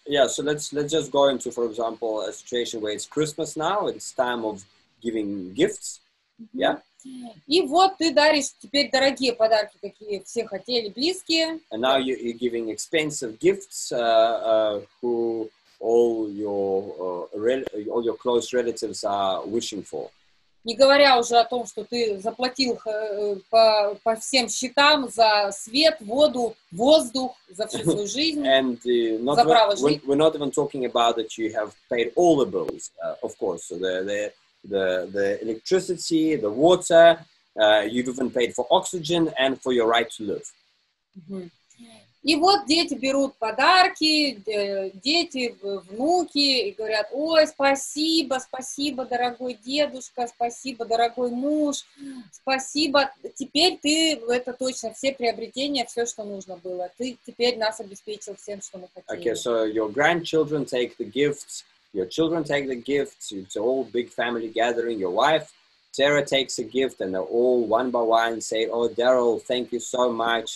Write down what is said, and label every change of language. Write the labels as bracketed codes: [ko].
[en] Yeah, so let's just go into, for example, a situation where it's Christmas now, it's time of giving gifts, mm-hmm. Yeah? [ru] И вот ты даришь теперь дорогие подарки, какие все хотели, близкие. [en] And now you're giving expensive gifts who all your close relatives are wishing for. [ru] Не говоря уже о том, что ты заплатил по всем счетам за свет, воду, воздух, за всю свою жизнь, за право жить. [en] We're not even talking about that you have paid all the bills, of course. So the electricity, the water, you've even paid for oxygen and for your right to live. Mm-hmm. [ru] И вот дети берут подарки, дети, внуки, и говорят, ой, спасибо, спасибо, дорогой дедушка, спасибо, дорогой муж, спасибо, теперь ты, это точно, все приобретения, все, что нужно было, ты теперь нас обеспечил всем, что мы хотели. [en] Okay, so your grandchildren take the gifts, your children take the gifts, it's a whole big family gathering, your wife, Sarah takes a gift and they all one by one say, oh, Daryl, thank you so much.